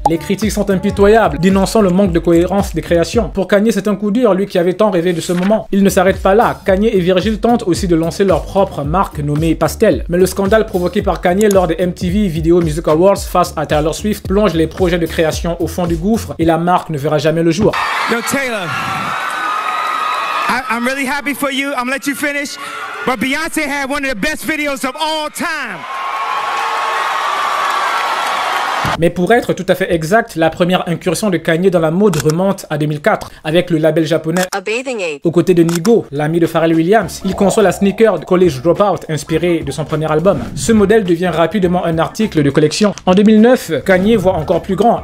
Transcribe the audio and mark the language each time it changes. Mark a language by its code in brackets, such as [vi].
[fr] Les critiques sont impitoyables, dénonçant le manque de cohérence des créations. Pour Kanye, c'est un coup dur, lui qui avait tant rêvé de ce moment. Ils ne s'arrêtent pas là, Kanye et Virgil tentent aussi de lancer leur propre marque nommée Pastel. Mais le scandale provoqué par Kanye lors des MTV Video Music Awards face à Taylor Swift plonge les projet de création au fond du gouffre et la marque ne verra jamais le jour. [en] Yo Taylor, I'm really happy for you. I'm gonna let you finish, but Beyonce had one of the best videos of all time. [fr] Mais pour être tout à fait exact, la première incursion de Kanye dans la mode remonte à 2004 avec le label japonais A Bathing Ape. Aux côtés de Nigo, l'ami de Pharrell Williams, il conçoit la sneaker College Dropout inspirée de son premier album. Ce modèle devient rapidement un article de collection. En 2009, Kanye voit encore plus grand.